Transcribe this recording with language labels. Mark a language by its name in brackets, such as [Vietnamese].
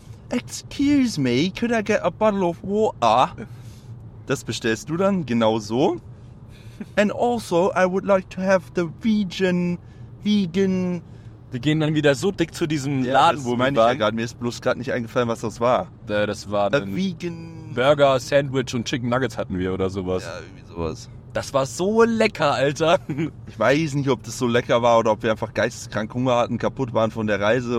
[English] Excuse me, could I get a bottle of water? [German] Das bestellst du dann genau so. [English] And also, I would like to have the vegan. [German] Wir gehen dann wieder so dick zu diesem Laden, wo meine ich ja gerade. Mir ist bloß gerade nicht eingefallen, was das war. Das war ein vegan Burger, Sandwich und Chicken Nuggets hatten wir oder sowas. Ja, irgendwie sowas. Das war so lecker, Alter. Ich weiß nicht, ob das so lecker war oder ob wir einfach geisteskrank Hunger hatten, kaputt waren von der Reise.